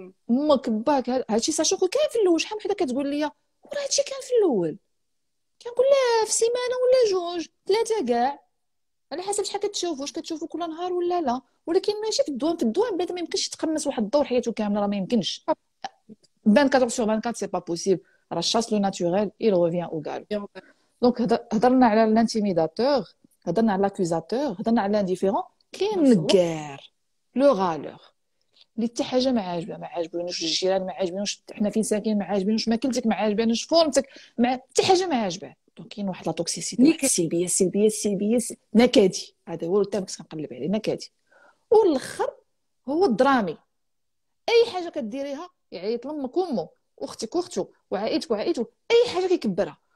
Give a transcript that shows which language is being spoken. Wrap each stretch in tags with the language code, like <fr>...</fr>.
<ar>امك باك هادشي</ar> <fr>ساشون كو</fr> <ar>كان في الاول شحال من حدا كتقول ليا وراه هادشي كان في الاول كنقول لها في سيمانه ولا جوج ثلاثه كاع على حسب شحال كتشوف واش كتشوفو كل نهار ولا لا ولكن ماشي في الدوام في الدوام بعد ما يمكنش تقمص واحد الدور حياته كامله راه ما يمكنش</ar> <fr>24 sur 24, ce n'est pas possible. La chasse le naturel, il revient au galop. Donc, l'intimidateur, l'accusateur, l'indifférent, qu'une مرسوم guerre, le râleur.</fr> <ar>اللي حتى حاجه ما عاجبه، ما عاجبونيش الجيران، ما عاجبونيش حنا فين ساكنين، ما عاجبينوش ماكلتك، ما عاجبينوش فورمتك، ما حتى حاجه ما عاجبه.</ar> <fr>دونك</fr> <ar>كاين واحد لا توكسيسيتي، واحد نيك السلبيه، السلبيه، السلبيه، نكدي. هذا هو التام كنت كنقلب عليه، نكدي. والاخر هو الدرامي، اي حاجه كديريها يعيط لامك وامه واختك واخته وعائلتك وعائلته، اي حاجه كيكبرها.</ar>